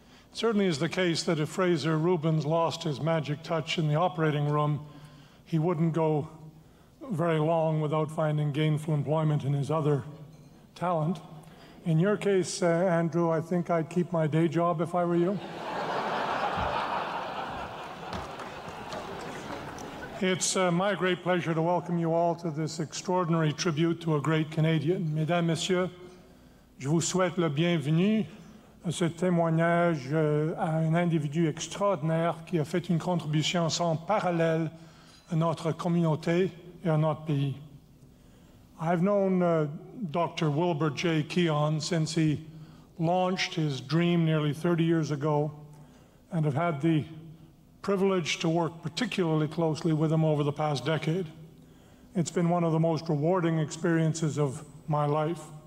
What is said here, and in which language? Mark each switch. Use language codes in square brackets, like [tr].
[en] It certainly is the case that if Fraser Rubens lost his magic touch in the operating room, he wouldn't go very long without finding gainful employment in his other talent. In your case, Andrew, I think I'd keep my day job if I were you. It's my great pleasure to welcome you all to this extraordinary tribute to a great Canadian. [fr] Mesdames, Messieurs, je vous souhaite la bienvenue à ce témoignage à un individu extraordinaire qui a fait une contribution sans parallèle à notre communauté et à notre pays. [en] I've known Dr. Wilbert J. Keon since he launched his dream nearly 30 years ago and have had the privilege to work particularly closely with him over the past decade. It's been one of the most rewarding experiences of my life.